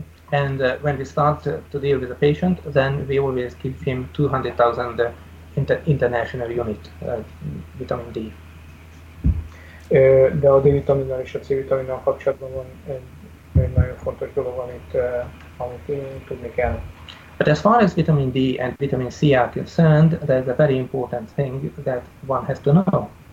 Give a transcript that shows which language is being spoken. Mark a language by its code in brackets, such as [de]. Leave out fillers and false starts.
[en] And when we start to deal with a patient, then we always give him 200,000 international unit vitamin D. [hu] De a D-vitaminnal és a C-vitaminnal kapcsolatban van egy nagyon fontos dolog, amit tudni kell. [en] But as far as vitamin D and vitamin C are concerned, there's a very important thing that one has to know.